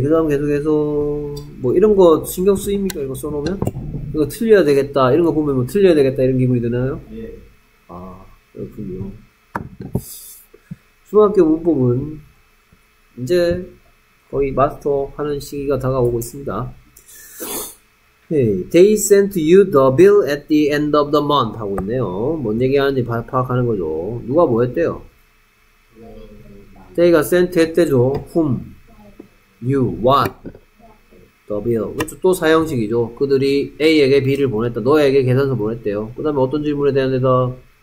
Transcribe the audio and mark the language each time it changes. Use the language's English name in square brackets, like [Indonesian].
[Korean] 그 다음 계속해서 뭐 이런 거 신경 쓰입니까? 이거 써놓으면? 이거 틀려야 되겠다. 이런 거 보면 뭐 틀려야 되겠다. 이런 기분이 드나요? 예. 아, 그렇군요. 중학교 문법은 이제 거의 마스터 하는 시기가 다가오고 있습니다. [English] Okay. They sent you the bill at the end of the month. [Korean] 하고 있네요. 뭔 얘기 하는지 파악하는 거죠. 누가 뭐 했대요? They가 sent 했대죠. [English] Whom? You. What? The bill. [Korean] 그렇죠. 또 사형식이죠. 그들이 A에게 B를 보냈다. 너에게 계산서 보냈대요. 그 다음에 어떤 질문에 대한 대답?